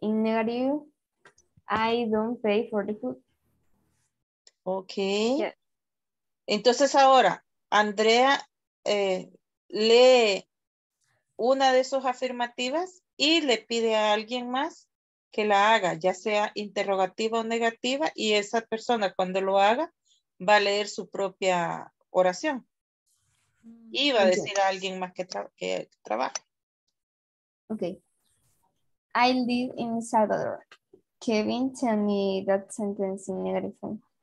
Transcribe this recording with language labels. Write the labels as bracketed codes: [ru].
[en] In negative, I don't pay for the food. Okay. Yeah. [es] Entonces ahora, Andrea, lee una de sus afirmativas y le pide a alguien más que la haga, ya sea interrogativa o negativa, y esa persona cuando lo haga va a leer su propia oración y va a decir a alguien más que trabaje. [en] Okay. I live in Salvador. Kevin, tell me that sentence in negative form.